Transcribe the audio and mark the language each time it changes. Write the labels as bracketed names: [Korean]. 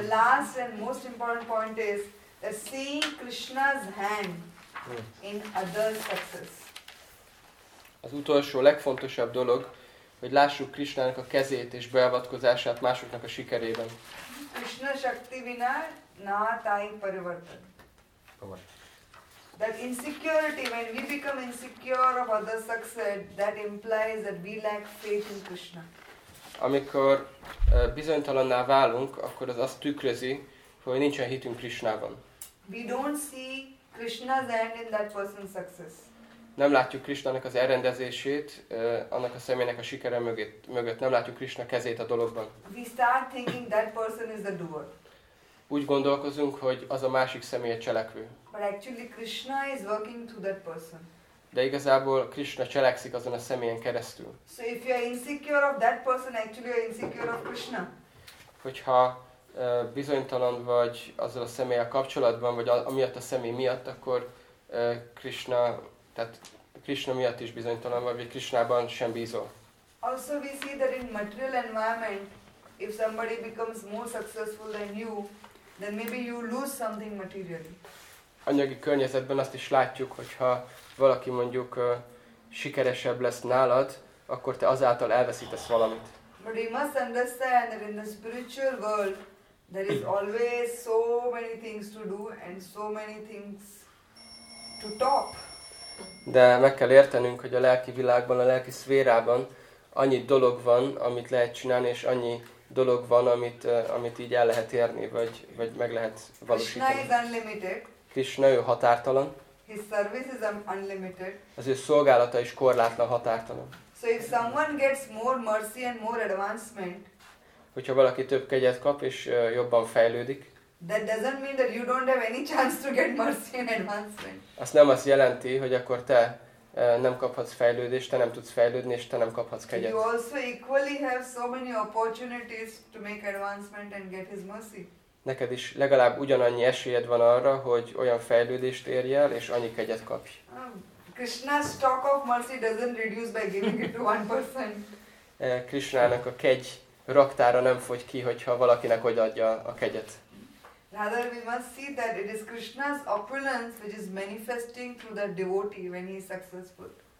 [English] The last and most important point is seeing Krishna's hand. In other success. [Hungarian] Az utolsó legfontosabb dolog, hogy lássuk Krishnának a kezét és beavatkozását másoknak a sikerében. [Bangla] Krishna shakti vina na tai parivartan. [English] That insecurity, when we become insecure of other success, that implies that we lack faith in Krishna. [Hungarian] Amikor bizonytalanná válunk, akkor az azt tükrözi, hogy nincsen hitünk Krishnában. [English] We don't see Krishna's hand in that person's success. [Hungarian] Nem látjuk Krishnának az elrendezését, annak a személynek a sikere mögött. Nem látjuk Krishna kezét a dologban. [English] We start thinking that person is the doer. [Hungarian] Úgy gondolkozunk, hogy az a másik személy a cselekvő. [English] But actually Krishna is working through that person. [Hungarian] De igazából Krishna cselekszik azon a személyen keresztül. [English] So if you are insecure of that person, actually you are insecure of Krishna. [Hungarian] Hogyha bizonytalan vagy azzal a személlyel kapcsolatban, vagy amiatt a személy miatt, akkor Krishna, tehát Krishna miatt is bizonytalan vagy, vagy Krishnában sem bízol. [English] Also we see that in material environment, if somebody becomes more successful than you, then maybe you lose something materially. [Hungarian] Anyagi környezetben azt is látjuk, hogyha valaki mondjuk sikeresebb lesz nálad, akkor te azáltal elveszítesz valamit. [English] But we must understand that in the spiritual world, there is always so many things to do and so many things to top. [Hungarian] De meg kell értenünk, hogy a lelki világban, a lelki szférában annyi dolog van, amit lehet csinálni, és annyi dolog van, amit így el lehet érni, vagy meg lehet valósítani. [English] Krishna is unlimited. [Hungarian] Krishna, ő határtalan. [English] His service is unlimited. [Hungarian] Az ő szolgálata is korlátlan, határtalan. [English] So if someone gets more mercy and more advancement, [Hungarian] hogyha valaki több kegyet kap és jobban fejlődik, [English] that doesn't mean that you don't have any chance to get mercy and advancement. [Hungarian] Azt nem azt jelenti, hogy akkor te nem kaphatsz fejlődést, te nem tudsz fejlődni, és te nem kaphatsz kegyet. [English] You also equally have so many opportunities to make advancement and get his mercy. [Hungarian] Neked is legalább ugyanannyi esélyed van arra, hogy olyan fejlődést érj el, és annyi kegyet kapj. [English] Krishna's stock of mercy doesn't reduce by giving it to one person. [Hungarian] Krishnának a kegy raktára nem fogy ki, hogyha valakinek odaadja a kegyet. [English] Rather we must see that it is Krishna's opulence which is manifesting through the devotee when he is successful.